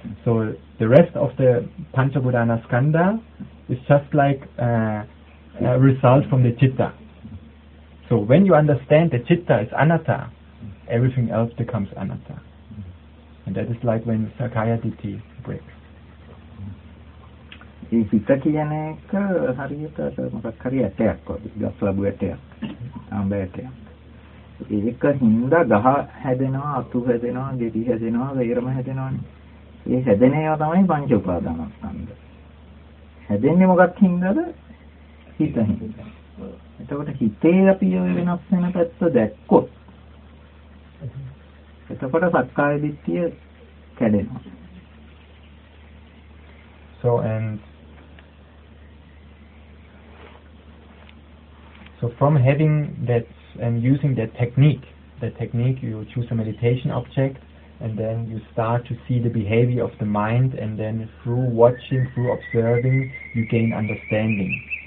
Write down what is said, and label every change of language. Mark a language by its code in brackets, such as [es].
[en] So the rest of the Panchabuddhana Skanda is just like a result from the citta. So when you understand the citta is anatta, everything else becomes anatta. And that is like when Sakaya Ditti breaks. [si] ඒ සිත කියන එක හරියට මොකක් හරි ඇටයක් වගේ ගස් ලැබු ඇටයක් අඹ ඇටයක් ඒක හින්දා ගහ හැදෙනවා අතු හැදෙනවා ගෙඩි හැදෙනවා වේරම හැදෙනවානේ ඒ හැදෙන ඒවා තමයි පංච උපාදානස්කන්ධ හැදෙන්නේ මොකක් හින්දාද හිත හින්දා එතකොට හිතේ අපි වෙනස් වෙන පැත්ත දැක්කොත් එතකොට සක්කාය දිට්ඨිය කැඩෙනවා [en] So and so from having that and using that technique you choose a meditation object and then you start to see the behavior of the mind and then through watching, through observing, you gain understanding.